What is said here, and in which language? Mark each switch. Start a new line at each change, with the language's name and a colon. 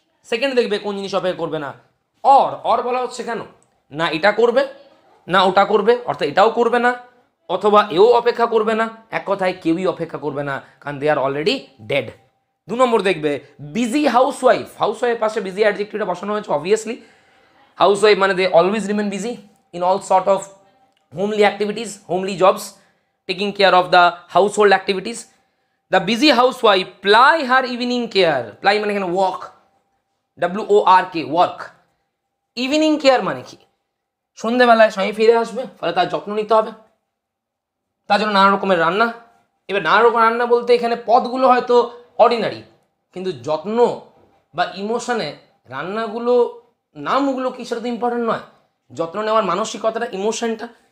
Bangla: Second দেখবে কোন জিনিস অপেক্ষা করবে না, অর বলা হচ্ছে কেন, না এটা করবে না ওটা করবে, অর্থাৎ এটাও করবে না অথবা এও অপেক্ষা করবে না, এক কথায় কেউই অপেক্ষা করবে না, কারণ
English: They are already dead.
Bangla: দু নম্বর দেখবে busy house wife, house wife পাশে বিজি অ্যাডজেক্টিভটা বসানো হয়েছে, অবভিয়াসলি হাউস ওয়াইফ মানে
English: They always remain busy in all sort of homely activities, homely jobs, taking care of the household activities. The busy housewife ply her evening care.
Bangla: Ply মানে কেন walk. W-O-R-K, work. Evening care মানে কি? সন্ধ্যেবেলায় স্বামী ফিরে আসবে, ফলে তার যত্ন নিতে হবে। তার জন্য নানা রকমের রান্না। এবার নানা রকম রান্না বলতে এখানে পদগুলো হয়তো অর্ডিনারি, কিন্তু যত্ন বা ইমোশনে রান্নাগুলো নামগুলো কি সেটা তো ইম্পর্টেন্ট নয়, যত্ন নেওয়ার মানসিকতাটা, ইমোশনটা।